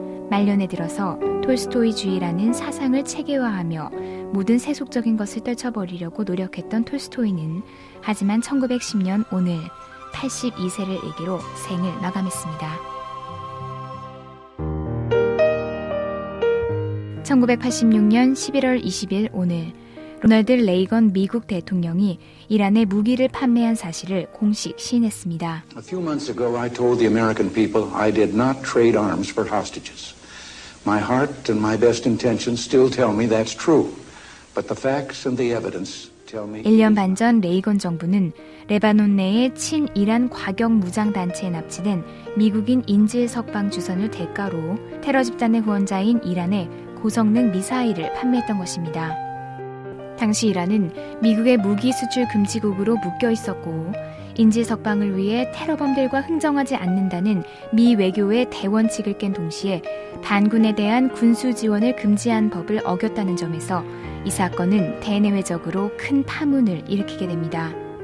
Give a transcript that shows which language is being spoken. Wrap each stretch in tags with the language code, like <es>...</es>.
<ko>말년에 들어서 톨스토이주의라는 사상을 체계화하며 모든 세속적인 것을 떨쳐버리려고 노력했던 톨스토이는 하지만 1910년 오늘 82세를 일기로 생을 마감했습니다. 1986년 11월 20일 오늘, 로널드 레이건 미국 대통령이 이란에 무기를 판매한 사실을 공식 시인했습니다.</ko> <en>A few months ago, I told the American people I did not trade arms for hostages. My heart and my best intentions still tell me that's true. But the facts and the evidence tell me.</en> <ko>1년 반 전 레이건 정부는 레바논 내의 친이란 과격 무장 단체에 납치된 미국인 인질 석방 주선을 대가로 테러 집단의 후원자인 이란에 고성능 미사일을 판매했던 것입니다. 당시 이란은 미국의 무기 수출 금지국으로 묶여 있었고 인질 석방을 위해 테러범들과 흥정하지 않는다는 미 외교의 대원칙을 깬 동시에 반군에 대한 군수 지원을 금지한 법을 어겼다는 점에서 이 사건은 대내외적으로 큰 파문을 일으키게 됩니다.</ko>